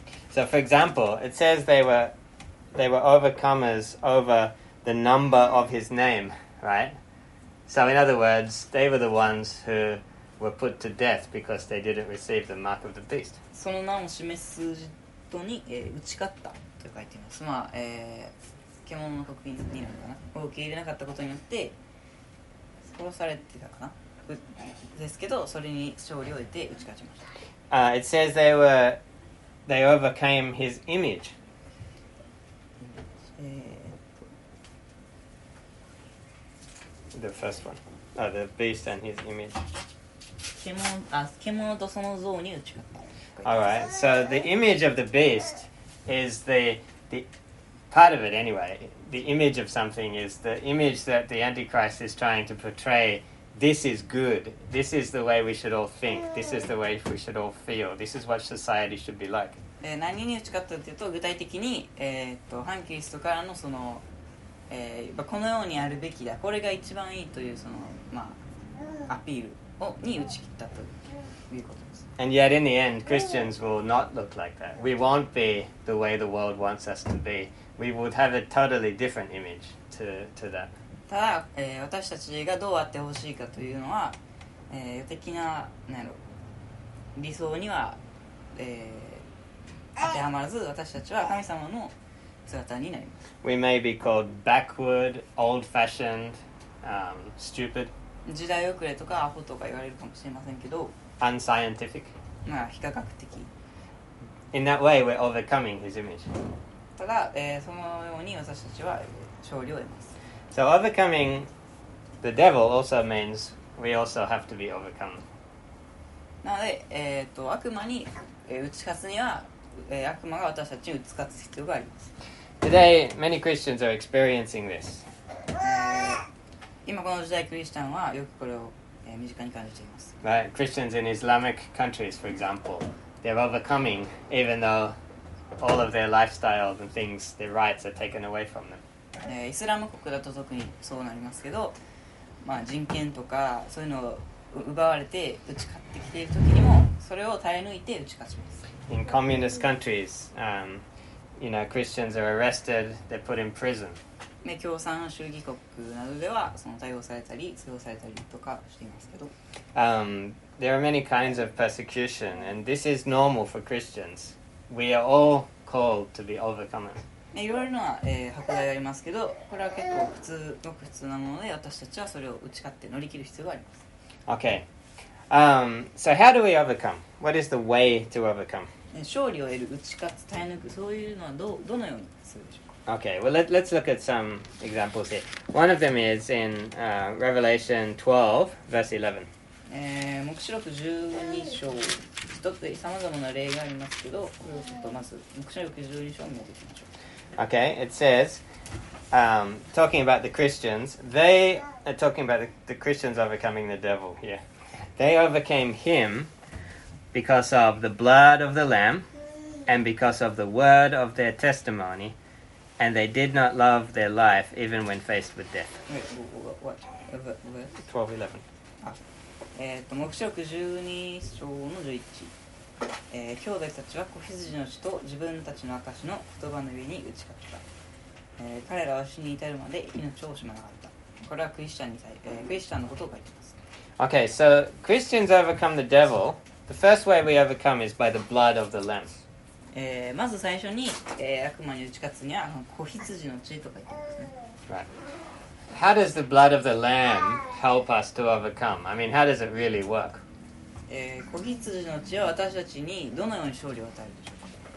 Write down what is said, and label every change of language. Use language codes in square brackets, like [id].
[en] So, for example, it says they were overcomers over the number of his name, right? So, in other words, they were the ones who were put to death because they didn't receive the mark of the beast. [ja] その名を示す数字とに、打ち勝ったと書いています。まあ、獣の刻印になるのかな、を受け入れなかったことによって殺されてたかな、ですけど、それに勝利を得て打ち勝ちました。 [en] It says they overcame his image. The first one. Oh, the beast and his image. [ja] 獣とその像に打ち勝った。 [en] Alright, so the image of the beast is the part of it anyway. The image of something is the image that the Antichrist is trying to portray. This is good. This is the way we should all think. This is the way we should all feel. This is what society should be like. [ja] 何に打ち勝ったというと、具体的に、反キリストからのその、このようにあるべきだ、これが一番いいというその、まあ、アピールをに打ち切ったということです。 [en] And yet in the end, Christians will not look like that. We won't be the way the world wants us to be. We would have a totally different image to that. [ja] ただ、私たちがどうあってほしいかというのは、的な、なんやろ、理想には、当てはまらず、私たちは神様の姿になります。 [en] We may be called backward, old-fashioned, stupid. [ja] 時代遅れとかアホとか言われるかもしれませんけど、 [en] unscientific. [ja] まあ、非科学的。 [en] In that way, we're overcoming his image. [ja] ただ、そのように私たちは勝利を得ます。 [en] So overcoming the devil also means we also have to be overcome. [ja] なので、悪魔に、打ち勝つには、悪魔が私たちに打ち勝つ必要があります。 [en] Today, many Christians are experiencing this. [ja] 今この時代、クリスチャンはよくこれを、身近に感じています。 [en] Right, Christians in Islamic countries, for example, they're overcoming even though all of their lifestyles and things, their rights are taken away from them. [ja] イスラム国だと特にそうなりますけど、まあ、人権とかそういうのを奪われて打ち勝ってきている時にもそれを耐え抜いて打ち勝ちます。 [en] In communist countries, you know, Christians are arrested, they're put in prison. [ja] 共産主義国などではその逮捕されたり通用されたりとかしていますけど、 [en] There are many kinds of persecution, and this is normal for Christians. We are all called to be overcomers. [ja] いろいろな、迫害がありますけど、これは結構普通、ごく普通なもので、私たちはそれを打ち勝って乗り切る必要があります。 [en] Okay. So how do we overcome? What is the way to overcome? [ja] 勝利を得る、打ち勝つ、耐え抜く、そういうのはどのようにするでしょうか? [en] Okay. Well, let's look at some examples here. One of them is in Revelation 12, verse 11. [ja] 黙示録12章。一つ、様々な例がありますけど、これをちょっとまず、黙示録12章を見ていきましょう。 [en] Okay, it says, talking about the Christians, they are talking about the Christians overcoming the devil here. They overcame him because of the blood of the Lamb and because of the word of their testimony, and they did not love their life even when faced with death. Wait, what? 12:11. [ja] 黙示録12章の11。兄弟たちは子羊の血と自分たちの証の言葉の上に打ち勝った、彼らは死に至るまで命を惜しまなかった。これはクリスチャンに対、クリスチャンのことを書いています。 [en] Okay, so Christians overcome the devil. The first way we overcome is by the blood of the lamb. [ja] まず最初に、悪魔に打ち勝つには子羊の血とか言ってますね。 [en] Right. How does the blood of the lamb help us to overcome? I mean, how does it really work? [ja] 子羊の血は私たちにどのように勝利を与えるでしょうか?